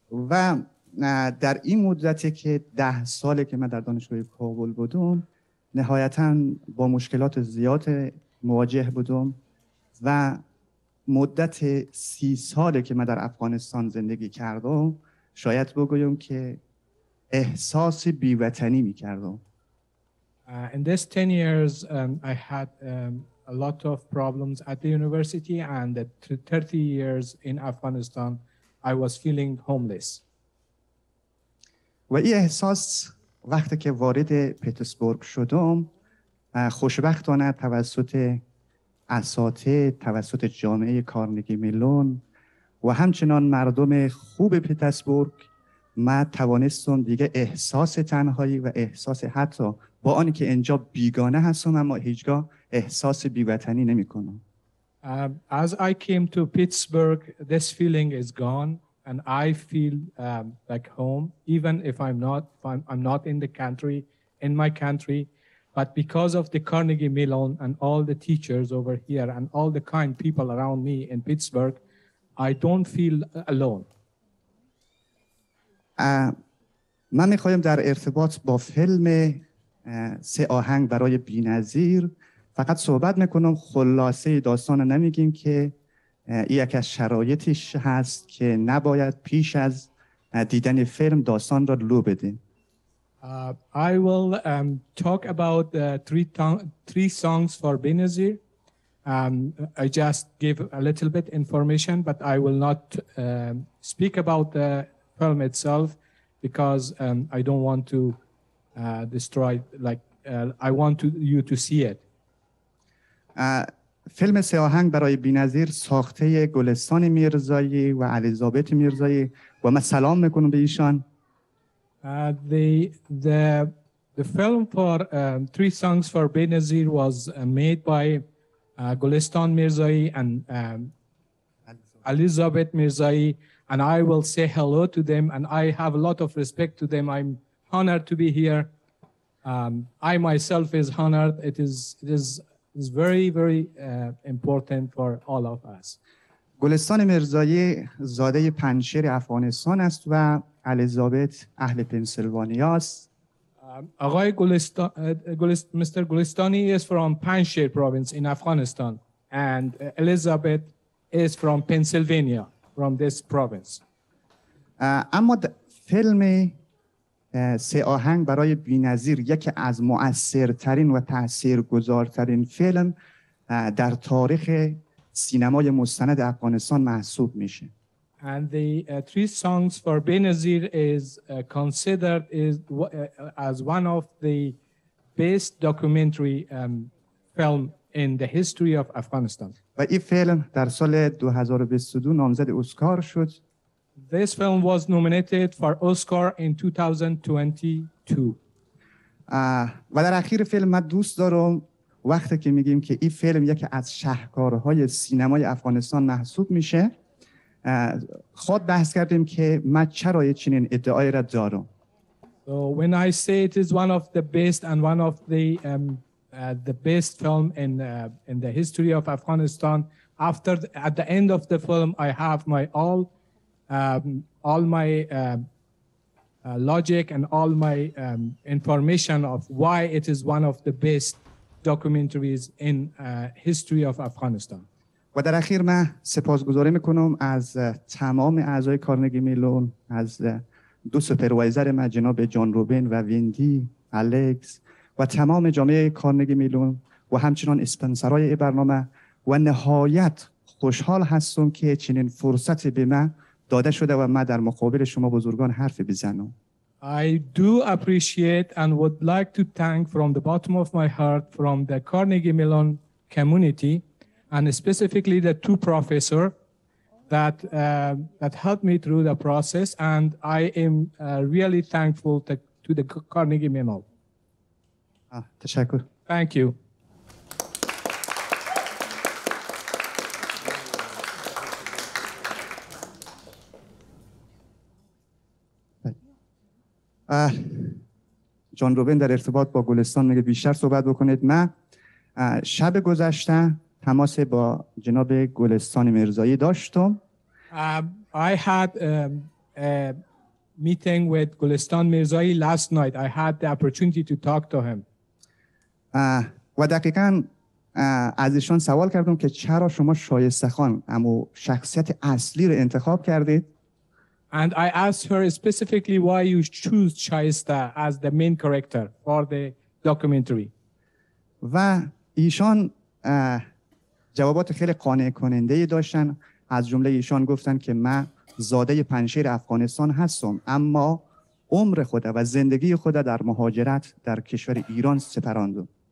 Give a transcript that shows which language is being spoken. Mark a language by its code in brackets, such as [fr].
[fa] و در این مدتی که 10 ساله که من در دانشگاه کابل بودم، نهایتاً با مشکلات زیاد مواجه بودم و مدت 30 ساله که من در افغانستان زندگی کردم، شاید بگویم که احساس بیوطنی می‌کردم. [en] In these 10 years, I had a lot of problems at the university, and at 30 years in Afghanistan, I was feeling homeless. [fa] و این احساس وقتی که وارد پیترزبورگ شدم، خوشبختانه توسط اساتید، توسط جامعه کارنگی میلون و همچنان مردم خوب پیترزبورگ، من توانستم دیگه احساس تنهایی و احساس حتی با آنی که اینجا بیگانه هستم، اما هیچگاه احساس بیوطنی نمی کنم. [en] As I came to Pittsburgh, this feeling is gone, and I feel like home, even if I'm not in the country, in my country. But because of the Carnegie Mellon and all the teachers over here and all the kind people around me in Pittsburgh, I don't feel alone. [fa] من می‌خوام در ارتباط با فیلم سه آهنگ برای بی‌نظیر فقط صحبت می‌کنم. خلاصه داستان نمی‌گیم که یک از شرایطش هست که نباید پیش از دیدن فیلم داستان را لو بدیم. [en] I will talk about three songs for Benazir. I just give a little bit information, but I will not speak about the film itself because I don't want to destroy. I want you to see it. [fa] فیلم سه آهنگ برای بی‌نظیر ساخته گلستان میرزایی و الیزابت میرزایی و من سلام میکنم به ایشان. [en] The film for Three Songs for Benazir was made by Gulistan Mirzaei and Elizabeth Mirzaei, and I will say hello to them, and I have a lot of respect to them. I'm honored to be here. I myself is honored. It is very, very important for all of us. [fa] گلستان مرزایی زاده پنجشیر افغانستان است و الیزابت اهل پنسیلوانیا است. آقای گلستان مستر گلستانی [en] is from Panjshir province in Afghanistan and Elizabeth is from Pennsylvania from this province. [fa] اما فیلم سه آهنگ برای بی‌نظیر یکی از مؤثرترین و تاثیرگذارترین فیلم در تاریخ سینمای مستند افغانستان محسوب میشه. [en] And the three songs for Benazir is considered is as one of the best documentary film in the history of Afghanistan. [fa] و این فیلم در سال 2022 نامزد اسکار شد. [en] This film was nominated for Oscar in 2022. [fa] و در آخر فیلم ما دوست دارم وقتی که میگیم که این فیلم یکی از شاهکارهای سینمای افغانستان محسوب میشه خود بحث کردیم که من چرا چنین ادعایی را دارم. [en] So when I say it is one of the best and one of the best film in the history of Afghanistan, after the, at the end of the film I have my all my logic and all my information of why it is one of the best documentaries in history of Afghanistan. [fa] و در آخر من سپاسگزاری میکنم از تمام اعضای کارنگی میلون، از دو سوپروایزر ما جناب جان روبین و ویندی، الکس و تمام جامعه کارنگی میلون و همچنان اسپانسرای این برنامه و نهایت خوشحال هستم که چنین فرصتی به من داده شده و من در مقابل شما بزرگان حرف بزنم. [en] I do appreciate and would like to thank from the bottom of my heart from the Carnegie Mellon community and specifically the two professors that that helped me through the process and I am really thankful to the Carnegie Mellon. [fa] تشکر. [en] Thank you. [fa] جان روبین در ارتباط با گلستان میگه بیشتر صحبت بکنید. من شب گذشته تماس با جناب گلستان مرزایی داشتم. [en] I had a meeting with Golestan Mirzaei last night. I had the opportunity to talk to him. [fa] و دقیقاً از ایشان سوال کردم که چرا شما شایسته خان اما شخصیت اصلی رو انتخاب کردید؟ [en] And I asked her specifically why you choose Shaista as the main character for the documentary. [fa] و ایشان جوابات خیلی قانع کننده ای داشتن. از جمله ایشان گفتن که من زاده پنجشیر افغانستان هستم اما عمر خود و زندگی خود در مهاجرت در کشور ایران سپراندم.